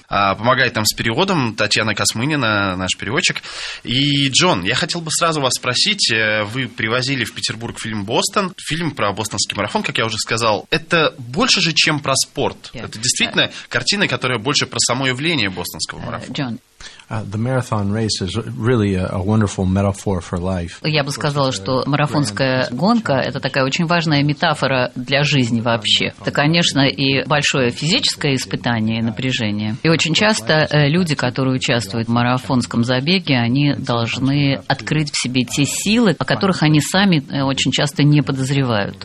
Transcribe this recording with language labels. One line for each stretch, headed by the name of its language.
Russian: Помогает нам с переводом Татьяна Космынина, наш переводчик. И, Джон, я хотел бы сразу вас спросить. Вы привозили в Петербург фильм «Бостон», фильм про бостонский марафон, как я уже сказал. Это больше же, чем про спорт. Yeah. Это действительно картина, которая больше про само явление бостонского марафона. Джон.
English: The marathon race is really a wonderful metaphor for life.
Russian: Я бы сказала, что марафонская гонка – это такая очень важная метафора для жизни вообще. Это, конечно, и большое физическое испытание и напряжение. И очень часто люди, которые участвуют в марафонском забеге, они должны открыть в себе те силы, о которых они сами очень часто не подозревают.